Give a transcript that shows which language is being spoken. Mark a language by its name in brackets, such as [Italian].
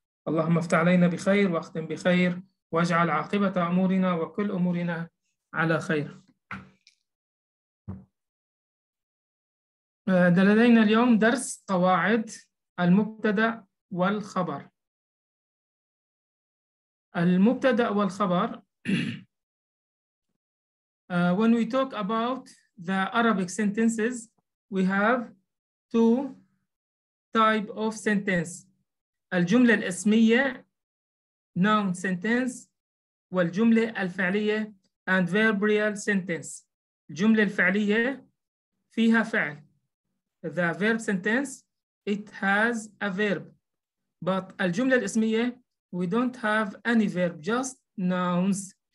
[Arabic] اللهم افتح علينا بخير واختم بخير واجعل عاقبة أمورنا وكل أمورنا على خير. لدينا اليوم درس قواعد المبتدأ والخبر. [English] المبتدأ والخبر when we talk about the Arabic sentences, we have two type of sentence. [Arabic] الجملة الاسمية [English] noun sentence [Arabic] والجملة الفعلية [English] adverbial sentence. [Arabic] الجملة الفعلية فيها فعل. [English] The verb sentence, it has a verb. But الجملة الاسمية, we don't have any verb, just nouns.